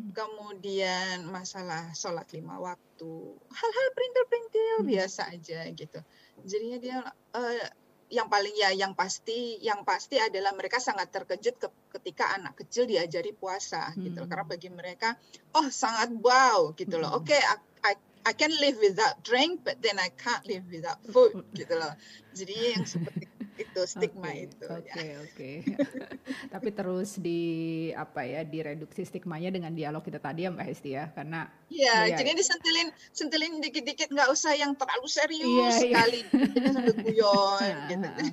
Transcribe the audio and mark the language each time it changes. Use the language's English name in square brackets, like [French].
[Indonesian] Kemudian masalah sholat lima waktu, hal-hal perintil-perintil biasa aja gitu. Jadinya dia yang pasti adalah mereka sangat terkejut ketika anak kecil diajari puasa gitu. Karena bagi mereka, oh sangat wow gitu loh. [English] Okay, I can live without drink, but then I can't live without food [Indonesian] gitu loh. Jadi yang seperti itu stigma Okay. Tapi terus direduksi stigmanya dengan dialog kita tadi ya Mbak Hesti ya, karena jadi disentilin dikit-dikit, nggak usah yang terlalu serius sekali guyon gitu.